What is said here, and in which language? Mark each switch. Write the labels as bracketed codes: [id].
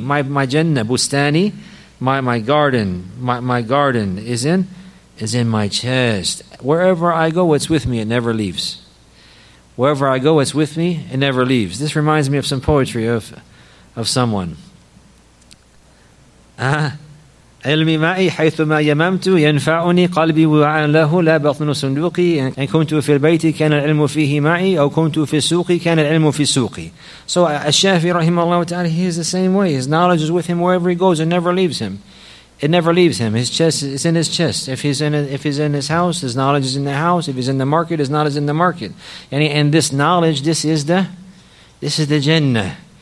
[en] My Jannah, Bustani, my garden is in my chest. Wherever I go, it's with me, it never leaves. Wherever I go, it's with me, it never leaves. This reminds me of some poetry of someone. [ar] علمي معي حيثما يممت ينفعني قلبي وعاء له لا بطن صندوقي إن كنت في البيت كان العلم فيه معي أو كنت في السوق كان العلم في سوقي. [en] So الشافعي رحمه الله تعالى, he is the same way. His knowledge is with him wherever he goes. It never leaves him. His chest is in his chest. If he's in his house, his knowledge is in the house. If he's in the market, his knowledge is in the market. And this knowledge, this is the Jannah.